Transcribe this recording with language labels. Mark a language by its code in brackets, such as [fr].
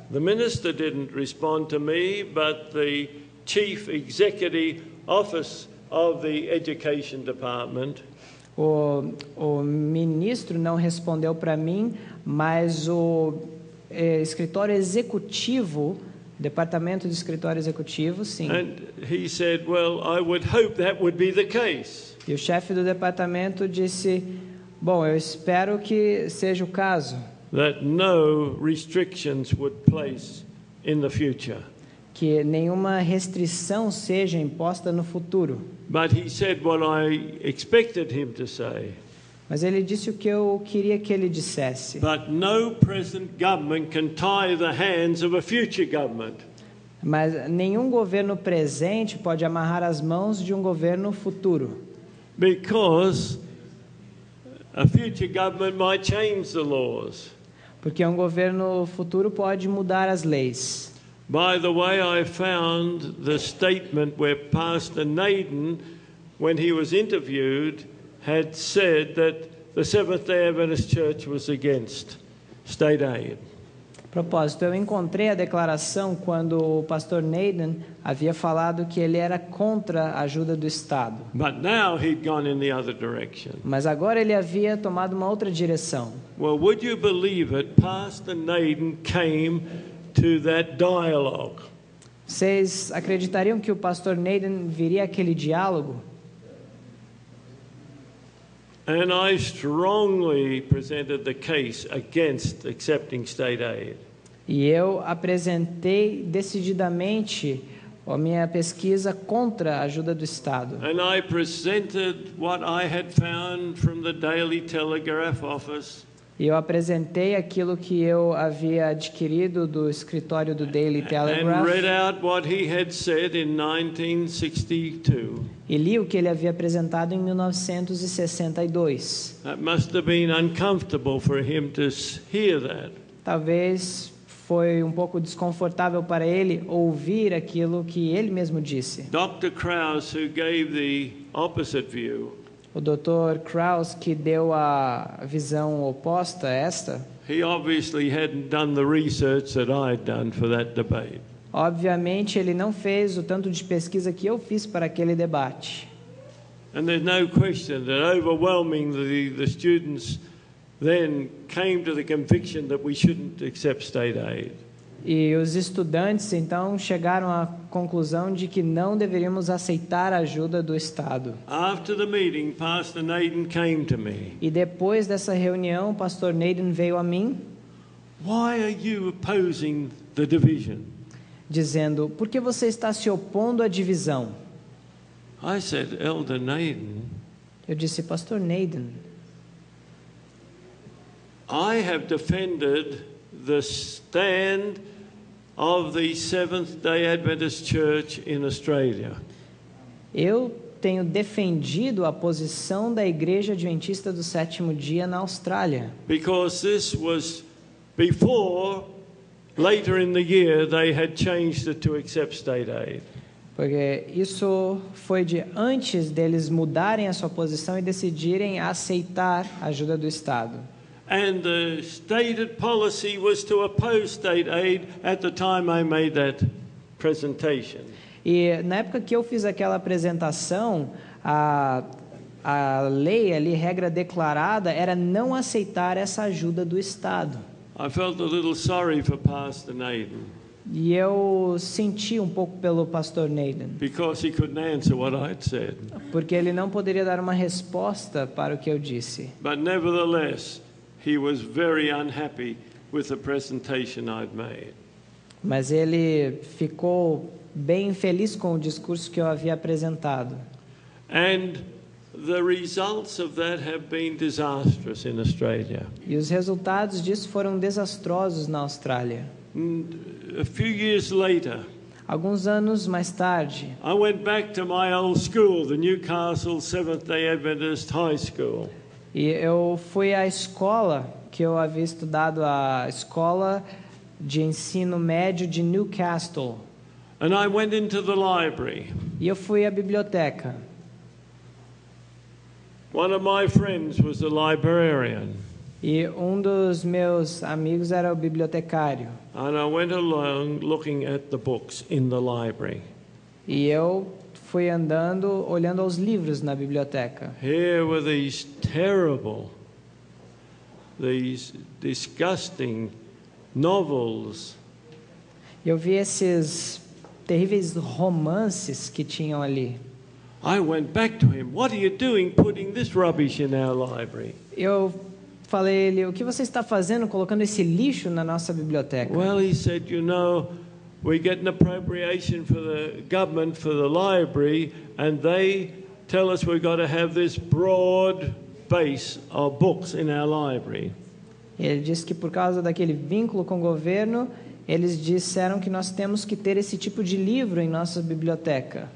[en] The minister didn't respond to me, but the chief executive office of the education department. [pt] O ministro não respondeu para mim, mas o escritório executivo, departamento de escritório executivo, sim. [en] And he said, well, I would hope that would be the case. [pt] E o chefe do departamento disse, bom, eu espero que seja o caso. [en] That no restrictions would place in the future. [pt] Que nenhuma restrição seja imposta no futuro. [en] But he said what I expected him to say. [pt] Mas ele disse o que eu queria que ele dissesse. [en] But no present government can tie the hands of a future government. [pt] Mas nenhum governo presente pode amarrar as mãos de um governo futuro. [en] Because a future government might change the laws. [pt] Porque um governo futuro pode mudar as leis. [en] By the way, I found the statement where Pastor Naden, when he was interviewed, had said that the Seventh-day Adventist Church was against state aid. [pt] Propósito, eu encontrei a declaração quando o Pastor Naden havia falado que ele era contra a ajuda do Estado. [en] But now he'd gone in the other direction. [pt] Mas agora ele havia tomado uma outra direção. [en] Well, would you believe it? Pastor Naden came to that dialogue. [pt] Vocês acreditariam que o Pastor Naden viria aquele diálogo? [en] And I strongly presented the case against accepting state aid. [pt] E eu apresentei decididamente a minha pesquisa contra a ajuda do Estado. [en] And I presented what I had found from the Daily Telegraph office. [pt] E eu apresentei aquilo que eu havia adquirido do escritório do Daily Telegraph. [en] And read out what he had said in 1962. [pt] E li o que ele havia apresentado em 1962. [en] That must have been uncomfortable for him to hear that. [pt] Talvez foi um pouco desconfortável para ele ouvir aquilo que ele mesmo disse. [en] Dr. Krause, who gave the opposite view. [pt] O Dr. Krause, que deu a visão oposta a esta, [en] he obviously hadn't done the research that I'd done for that debate. [pt] Obviamente, ele não fez o tanto de pesquisa que eu fiz para aquele debate. [en] And there's no question that overwhelmingly the students then came to the conviction that we shouldn't accept state aid. [pt] E os estudantes, então, chegaram à conclusão de que não deveríamos aceitar a ajuda do Estado. [en] After the meeting, Pastor Naden came to me. [pt] E depois dessa reunião, o Pastor Naden veio a mim. [en] Why are you opposing the division? [pt] Dizendo, por que você está se opondo à divisão? [en] I said, Elder Naden, [pt] eu disse, Pastor Naden, [en] I have defended the stand of the Seventh-day Adventist Church in Australia. [pt] Eu tenho defendido a posição da Igreja Adventista do Sétimo Dia na Austrália. [en] Because this was before, later in the year, they had changed it to accept state aid. [pt] Porque isso foi de antes deles mudarem a sua posição e decidirem aceitar a ajuda do Estado. [en] And the stated policy was to oppose state aid at the time I made that presentation. [pt] E na época que eu fiz aquela apresentação, a lei ali, regra declarada, era não aceitar essa ajuda do Estado. [en] I felt a little sorry for Pastor Nathan. [pt] E eu senti um pouco pelo Pastor Nathan. [en] Because he couldn't answer what I'd said. [pt] Porque ele não poderia dar uma resposta para o que eu disse. [en] But nevertheless, he was very unhappy with the presentation I'd made. [pt] Mas ele ficou bem infeliz com o discurso que eu havia apresentado. [en] And the results of that have been disastrous in Australia. [pt] E os resultados disso foram desastrosos na Austrália. [en] A few years later, [pt] alguns anos mais tarde, [en] I went back to my old school, the Newcastle Seventh-day Adventist High School. [pt] E eu fui à escola que eu havia estudado, a escola de ensino médio de Newcastle. [en] And I went into the library. [pt] E eu fui à biblioteca. [en] One of my friends was a librarian. [pt] E um dos meus amigos era o bibliotecário. [en] And I went along looking at the books in the library. [pt] E eu fui andando olhando aos livros na biblioteca. [en] Here were these terrible, these disgusting novels. [pt] Eu vi esses terríveis romances que tinham ali. [en] I went back to him. What are you doing putting this rubbish in our library? [pt] Eu falei a ele, o que você está fazendo colocando esse lixo na nossa biblioteca? [en] Well, he said, you know, we get an appropriation for the government for the library and they tell us we've got to have this broad base of books in our library. [pt] Ele disse que por causa daquele vínculo com o governo, eles disseram que nós temos que ter esse tipo de livro em nossa biblioteca.